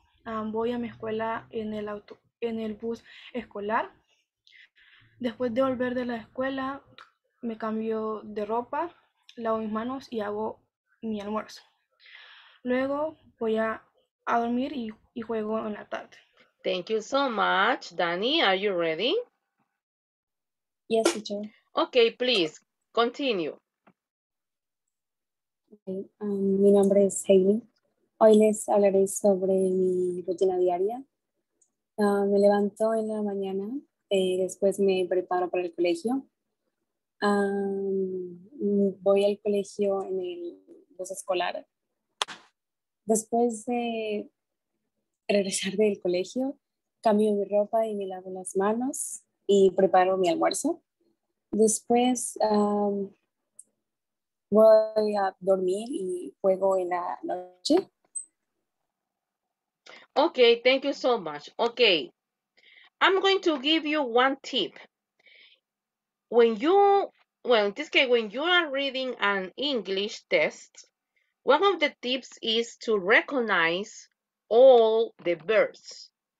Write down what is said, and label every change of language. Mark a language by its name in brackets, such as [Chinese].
[Spanish] Voy a mi escuela en el auto, en el bus escolar. Después de volver de la escuela, me cambio de ropa, lavo mis manos y hago mi almuerzo. Luego voy a dormir y juego en la tarde. [English] Thank you so much. Dani, are you ready? Yes, teacher. Okay, please continue. [Spanish] Mi nombre es Hailey. Hoy les hablaré sobre mi rutina diaria. Me levanto en la mañana, después me preparo para el colegio. Voy al colegio en el bus escolar. Después de regresar del colegio, cambio mi ropa y me lavo las manos y preparo mi almuerzo. Después voy a dormir y juego en la noche. [English] Okay, thank you so much. Okay, I'm going to give you one tip. When you, well, in this case, when you are reading an English test, one of the tips is to recognize all the verbs.